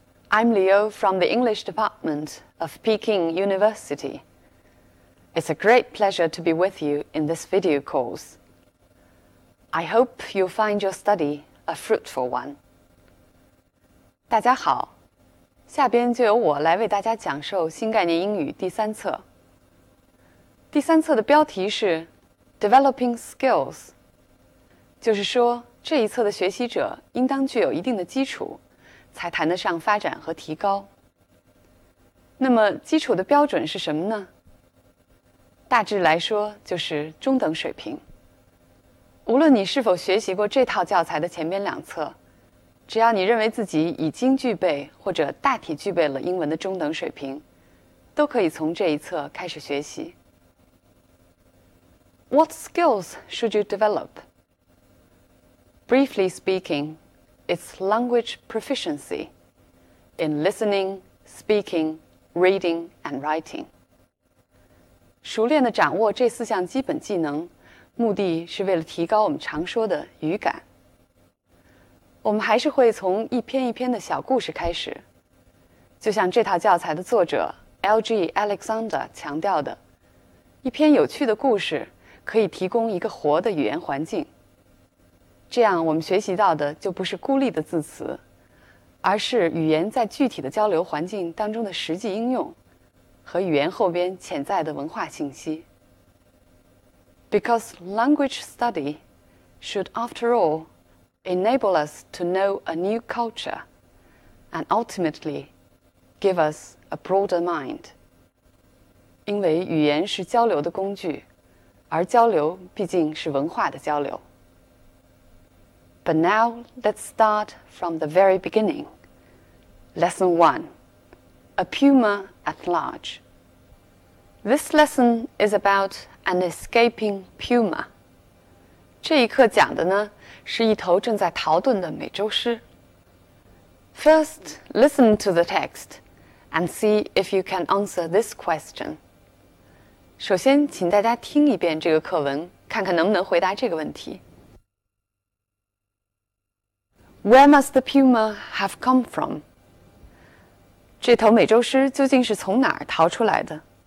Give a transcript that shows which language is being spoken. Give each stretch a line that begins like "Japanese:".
English: I'm Leo from the English Department of Peking University. It's a great pleasure to be with you in this video course. I hope you'll find your study a fruitful one.
Chinese: 大家好，下边就由我来为大家讲授新概念英语第三册。第三册的标题是 Developing Skills， 就是说这一册的学习者应当具有一定的基础，才谈得上发展和提高。那么基础的标准是什么呢？大致来说就是中等水平。无论你是否学习过这套教材的前边两册，只要你认为自己已经具备或者大体具备了英文的中等水平，都可以从这一册开始学习。
English: What skills should you develop? Briefly speaking, it's language proficiency in listening, speaking, reading, and writing.
Chinese: 熟练地掌握这四项基本技能，目的是为了提高我们常说的语感。我们还是会从一篇一篇的小故事开始。就像这套教材的作者 LG Alexander 强调的，一篇有趣的故事可以提供一个活的语言环境，这样我们学习到的就不是孤立的字词，而是语言在具体的交流环境当中的实际应用和语言后边潜在的文化信息。
English: Because language study should after all enable us to know a new culture and ultimately give us a broader mind.
Chinese: 因为语言是交流的工具，而交流毕竟是文化的交流。
English: But now, let's start from the very beginning. Lesson 1. A Puma at Large. This lesson is about an escaping puma.
Chinese: 这一课讲的呢，是一头正在逃遁的美洲狮。
English: First, listen to the text and see if you can answer this question.
Chinese: 首先请大家听一遍这个课文，看看能不能回答这个问题。
English: Where must the puma have come from?
Chinese: 这头美洲狮究竟是从哪儿逃出来的？